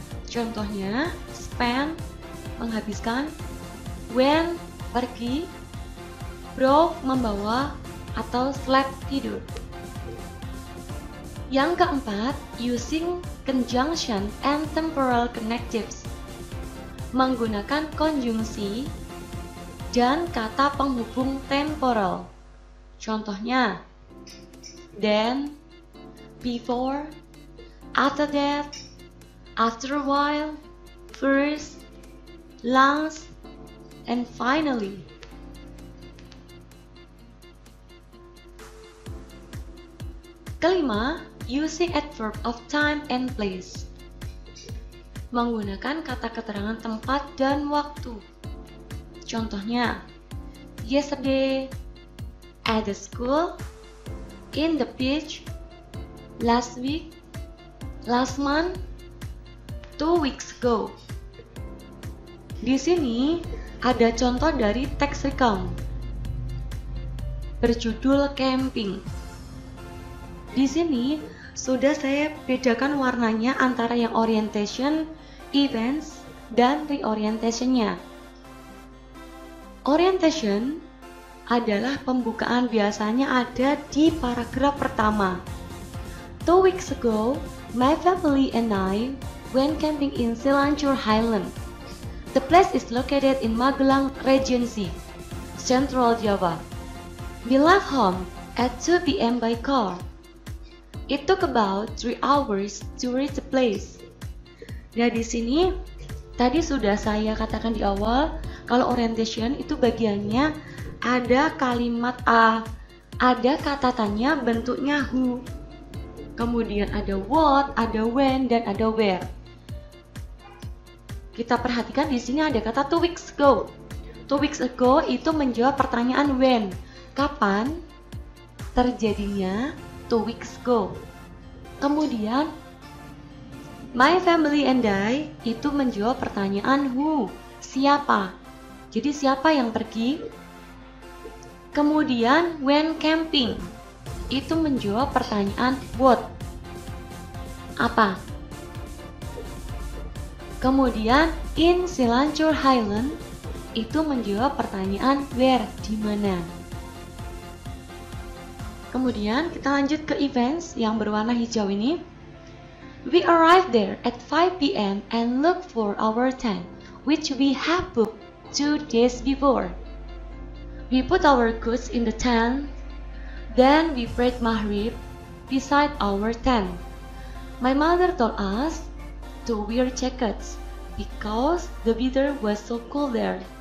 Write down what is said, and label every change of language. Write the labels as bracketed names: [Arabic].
[Indonesian] Contohnya, spend, menghabiskan, went, pergi, broke, membawa, atau slept, tidur. [English] Yang 4, using conjunction and temporal connectives. [Indonesian] Menggunakan konjungsi dan kata penghubung temporal. [English] Contohnya, then, before, after that, after a while, first, last, and finally. 5. Using adverb of time and place. [Indonesian] Menggunakan kata keterangan tempat dan waktu. [English] Contohnya, yesterday, at the school, in the beach, last week, last month, 2 weeks ago. [Indonesian] Di sini ada contoh dari teks rekam berjudul camping. Di sini sudah saya bedakan warnanya antara yang orientation, events, dan reorientation-nya. Orientation adalah pembukaan, biasanya ada di paragraf pertama. [English] 2 weeks ago, my family and I went camping in Selancur Highland. The place is located in Magelang Regency, Central Java. We left home at 2 p.m. by car. It took about 3 hours to reach the place. [Indonesian] Nah, di sini tadi sudah saya katakan di awal, kalau orientation itu bagiannya ada kalimat A, ada kata tanya bentuknya who. Kemudian ada what, ada when, dan ada where. Kita perhatikan di sini ada kata [English] 2 weeks ago. [Indonesian] 2 weeks ago itu menjawab pertanyaan when, kapan terjadinya 2 weeks ago. Kemudian [English] my family and I [Indonesian] itu menjawab pertanyaan who, siapa. Jadi siapa yang pergi? Kemudian [English] when camping [Indonesian] itu menjawab pertanyaan what, apa. Kemudian [English] in Selancur Highland [Indonesian] itu menjawab pertanyaan where, di mana. Kemudian kita lanjut ke events yang berwarna hijau ini. [English] We arrived there at 5 p.m. and looked for our tent, which we have booked 2 days before. We put our goods in the tent, then we prayed Maghrib beside our tent. My mother told us to wear jackets because the weather was so cold there.